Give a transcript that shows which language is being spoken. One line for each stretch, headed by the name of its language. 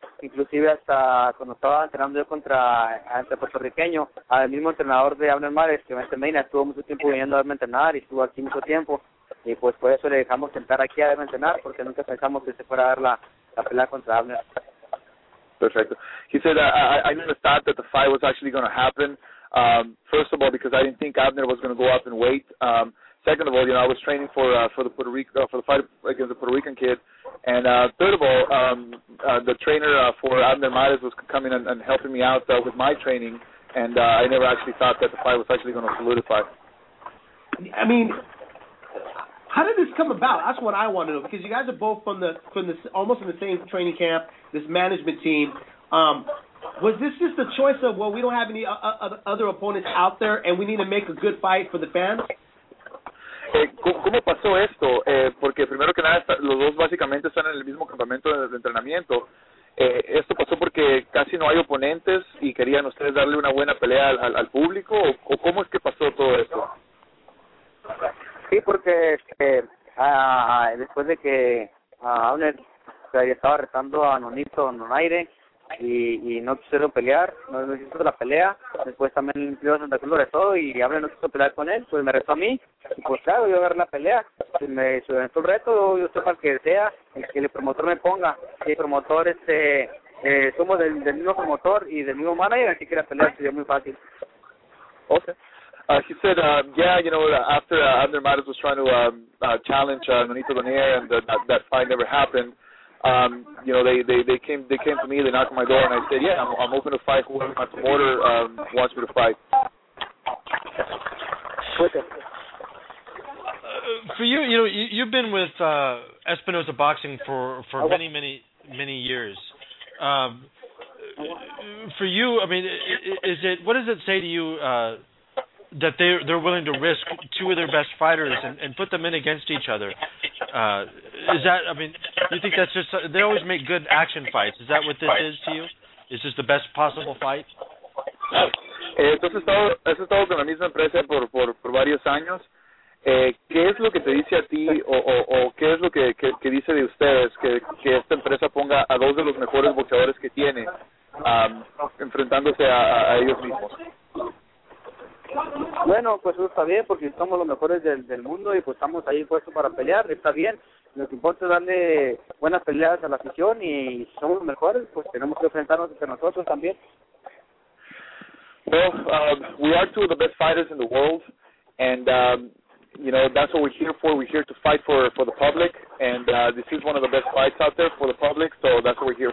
Spanish: Inclusive hasta cuando estaba entrenando yo contra el puertorriqueño, al mismo entrenador de Abner Mares, que Vince Medina, estuvo mucho tiempo viniendo a verme entrenar y estuvo aquí mucho tiempo. Y pues por eso le dejamos sentar aquí a entrenar, porque nunca pensamos que se fuera a dar la pelea contra Abner. Perfecto.
English: He said, I never thought that the fight was actually going to happen. First of all, because I didn't think Abner was going to go up in weight. Second of all, you know, I was training for the fight against the Puerto Rican kid. And third of all, the trainer for Abner Mares was coming and helping me out with my training. And I never actually thought that the fight was actually going to solidify. I mean, how did this come about? That's what I want to know, because you guys are both from this, almost in the same training camp, this management team. Was this just a choice of, well, we don't have any other opponents out there and we need to make a good fight for the fans?
Spanish: ¿Cómo pasó esto? Porque primero que nada, los dos básicamente están en el mismo campamento de entrenamiento. ¿Esto pasó porque casi no hay oponentes y querían ustedes darle una buena pelea al público? ¿O cómo es que pasó todo esto? Sí, porque después de que Abner estaba retando a Nonito en un aire y no quisieron pelear, no hizo la pelea, después también dio a Santa Cruz lo retó y Abner no quiso pelear con él, pues me retó a mí, y pues claro, yo agarré la pelea, pues me subió el reto, yo estoy para el que sea, el que el promotor me ponga, y el promotor somos del mismo promotor y del mismo manager, así que la pelea se dio muy fácil.
English: Okay. He said, after Abner Mares was trying to challenge Nonito Bonilla, and that fight never happened, you know, they came to me, they knocked on my door, and I said, yeah, I'm open to fight whoever my promoter wants me to fight. For you, you know, you've been with Espinosa Boxing for many, many, many years. For you, I mean, what does it say to you that they're willing to risk two of their best fighters and put them in against each other? You think that's just, they always make good action fights. Is that what this is to you? Is this the best possible fight?
Spanish: Entonces, has estado con la misma empresa por varios años. ¿Qué es lo que te dice a ti o qué es lo que dice de ustedes que esta empresa ponga a dos de los mejores boxeadores que tiene enfrentándose a ellos mismos? Bueno, pues eso está bien, porque somos los mejores del mundo y pues estamos ahí puestos para pelear, está bien. Lo que importa es darle buenas peleas a la afición y somos los mejores, pues tenemos que enfrentarnos entre nosotros también.
English: Well, we are two of the best fighters in the world, and, you know, that's what we're here for. We're here to fight for the public, and this is one of the best fights out there for the public, so that's what we're here